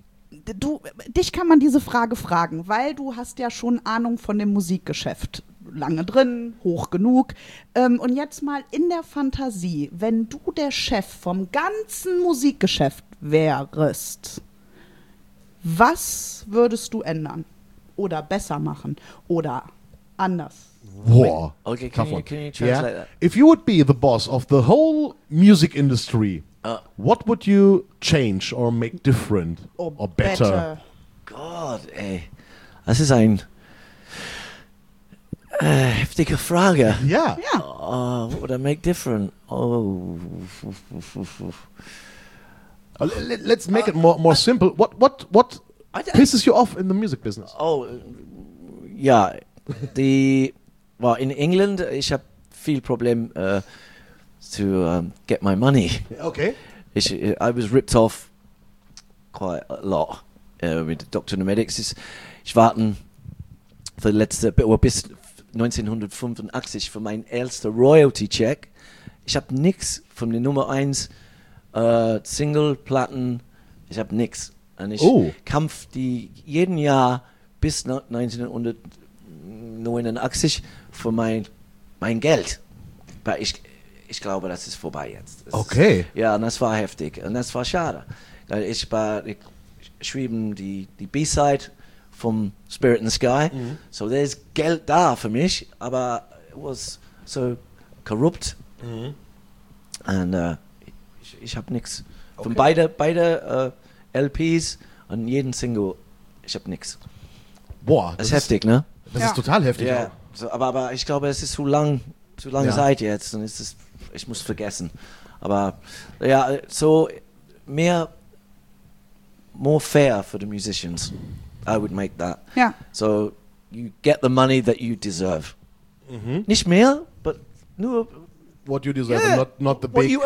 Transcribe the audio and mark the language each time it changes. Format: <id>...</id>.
<de>du, dich kann man diese Frage fragen, weil du hast ja schon Ahnung von dem Musikgeschäft. Lange drin, hoch genug. Und jetzt mal in der Fantasie, wenn du der Chef vom ganzen Musikgeschäft wärst, was würdest du ändern? Oder besser machen? Oder anders? War.</de> <en>Okay, can you translate that? If you would be the boss of the whole music industry, what would you change or make different or better? God,</en> <de>ey. Das ist ein... heftige Frage. Ja.</de> <en>What would I make different? Oh. Let's make it more simple. What pisses you off in the music business?</en> <de>Oh, ja. In England, ich habe viel Problem</de> <en>to get my money. Okay. I was ripped off quite a lot with Doctor and the Medics.</en> <de>Ich warte für die letzte bis 1985 für mein erster Royalty Check. Ich habe nichts von der Nummer 1 Single Platten. Ich habe nichts. Und ich kämpfe jeden Jahr bis 1989 für mein Geld. Weil ich glaube, das ist vorbei jetzt. Das okay. Ist, ja, und das war heftig. Und das war schade. Ich schrieb die B-Side vom Spirit in the Sky.</de> <en>Mhm. So there's</en> <de>Geld da für mich, aber</de> <en>it was so corrupt. Mhm. And</en> <de>ich habe nichts. Okay. Von beide LPs und jeden Single, ich habe nichts. Boah. Das ist heftig, ne? Das ist total heftig.</de> <en>Yeah.</en> <de>So, aber ich glaube, es ist zu lange Zeit jetzt. Und ich muss vergessen. Aber ja,</de> <en>so more fair for the musicians. I would make that. Yeah. So you get the money that you deserve.</en> <de>Mm-hmm. Nicht mehr,</de> <en>but</en> <de>nur</de> <en>what you deserve, yeah. not the big</en>